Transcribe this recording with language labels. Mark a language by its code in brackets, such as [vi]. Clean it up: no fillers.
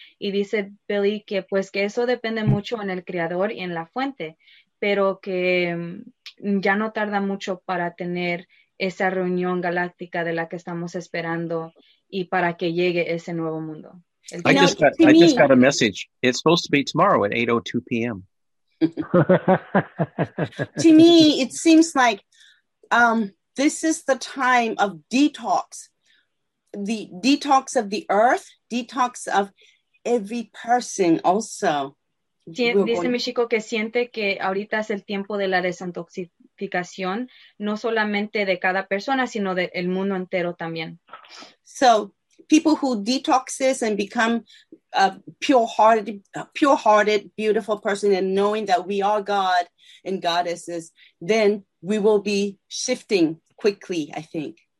[es] Y dice Billy que pues que eso depende mucho en el creador y en la fuente, pero que ya no tarda mucho para tener esa reunión galáctica de la que estamos esperando y para que llegue ese nuevo mundo. [en] I just got a message. It's supposed to be tomorrow at 8:02 p.m. To me, it seems like this is the time of detox. The detox of the earth, detox of every person also. [es] Dice Michiko que siente que ahorita es el tiempo de la desintoxicación, no solamente de cada persona, sino del mundo entero también. [en] So, people who detoxes and become a pure-hearted, beautiful person and knowing that we are God and goddesses, then we will be shifting quickly, I think.